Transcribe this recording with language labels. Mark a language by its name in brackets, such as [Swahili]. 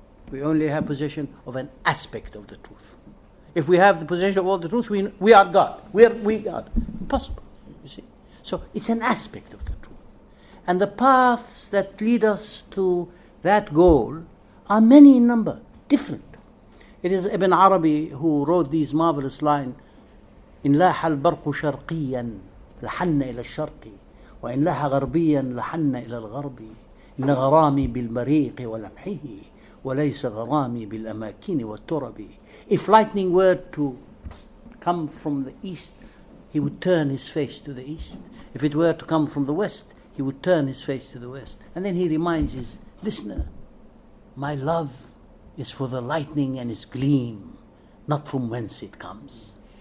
[English] We only have possession of an aspect of the truth. If we have the possession of all the truth, we are God. We are God. Impossible, you see. So it's an aspect of the truth. And the paths that lead us to that goal are many in number, different. It is Ibn Arabi who wrote these marvelous lines, [Arabic] إِنْ لَاحَ الْبَرْقُ شَرْقِيًّا لَحَنَّ إِلَى الشَّرْقِ وَإِنْ لَاحَ غَرْبِيًّا لَحَنَّ إِلَى الْغَرْبِ إِنَّ غَرَامِي بِالْمَرِيقِ وَلَمْحِهِ وَلَيْسَ غَرَامِي بِالْأَمَاكِنِ وَالتُّرَبِ. [English] If lightning were to come from the east, he would turn his face to the east. If it were to come from the west, he would turn his face to the west. And then he reminds his listener, my love is for the lightning and its gleam, not from whence it comes.